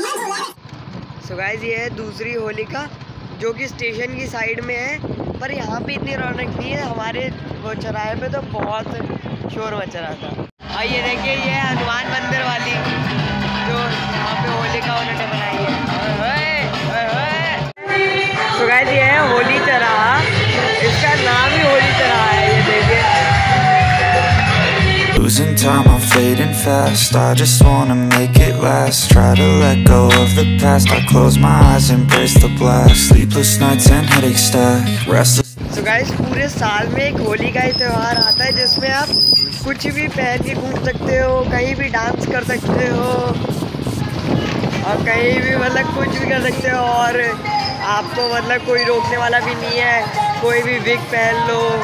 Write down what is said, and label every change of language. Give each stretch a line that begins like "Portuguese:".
Hindi: Guys, ये है दूसरी होलिका जो कि स्टेशन की साइड में है, पर यहाँ पे इतनी रौनक नहीं है, हमारे वो चौराहे पे तो बहुत शोर मच रहा था। और ये देखिए, ये है हनुमान मंदिर वाली जो यहाँ पे होलिका उन्होंने बनाई है। तो गाइज, ये है होली चौराहा, इसका नाम ही होली चौराहा है। ये देखिए,
English: losing time, I'm fading fast, I just wanna make it last, try to let go of the past, I close my eyes, embrace the blast, sleepless nights and headache stack, restless.
Hindi: So guys, पूरे साल में एक होली का ही त्यौहार आता है जिसमें आप कुछ भी पहन के घूम सकते हो, कहीं भी डांस कर सकते हो और कहीं भी मतलब कुछ भी कर सकते हो, और आपको मतलब कोई रोकने वाला भी नहीं है, कोई भी विग पहन लो।